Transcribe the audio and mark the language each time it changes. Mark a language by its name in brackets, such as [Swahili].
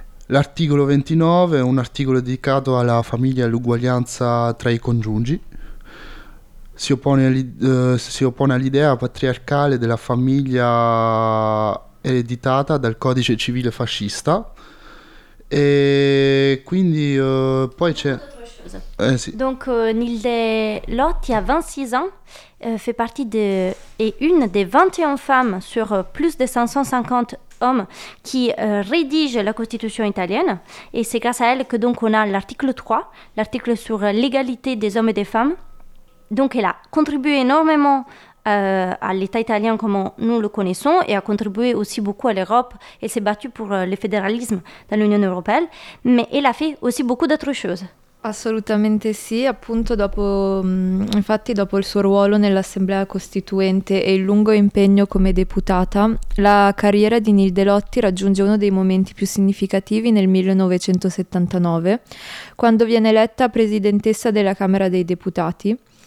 [Italian] L'articolo 29 è un articolo dedicato alla famiglia e all'uguaglianza tra i congiungi. Si oppone all'idea patriarcale della famiglia ereditata dal codice civile fascista. E quindi poi c'è. Sì. [French] Donc Neil Deiotti a 26 ans fait partie de et une des 21 femmes sur plus de 550 homme qui rédige la Constitution italienne, et c'est grâce à elle que donc on a l'article 3, l'article sur l'égalité des hommes et des femmes. Donc elle a contribué énormément à l'État italien comme nous le connaissons, et a contribué aussi beaucoup à l'Europe. Elle s'est battue pour le fédéralisme dans l'Union européenne, mais elle a fait aussi beaucoup d'autres choses. [Italian] Assolutamente sì, appunto dopo il suo ruolo nell'Assemblea Costituente e il lungo impegno come deputata, la carriera di Nilde Lotti raggiunge uno dei momenti più significativi nel 1979, quando viene eletta presidentessa della Camera dei Deputati.